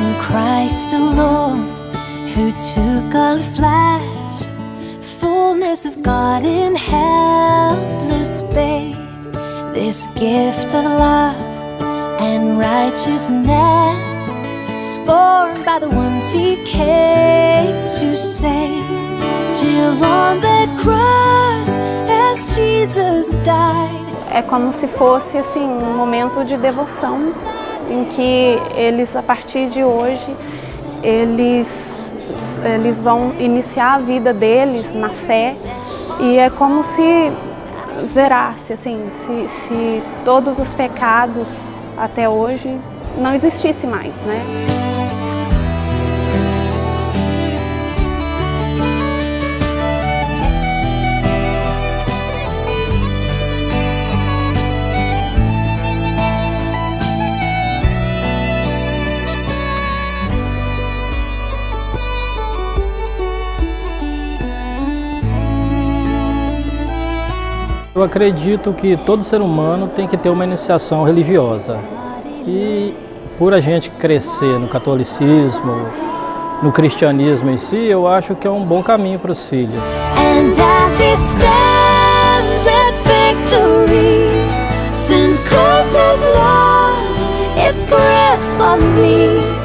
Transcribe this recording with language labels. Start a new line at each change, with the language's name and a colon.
English: Christ alone, who took on flesh, fullness of God in helpless babe. This gift of love and righteousness, scorned by the ones he came to save. Till on the cross, as Jesus died.
Portuguese: É como se fosse assim um momento de devoção, em que eles, a partir de hoje, eles vão iniciar a vida deles na fé, e é como se zerasse, assim, se todos os pecados até hoje não existissem mais, né? Eu acredito que todo ser humano tem que ter uma iniciação religiosa. E por a gente crescer no catolicismo, no cristianismo em si, eu acho que é um bom caminho para os filhos.
English: And as he stands at victory, since Christ has lost its grip on me.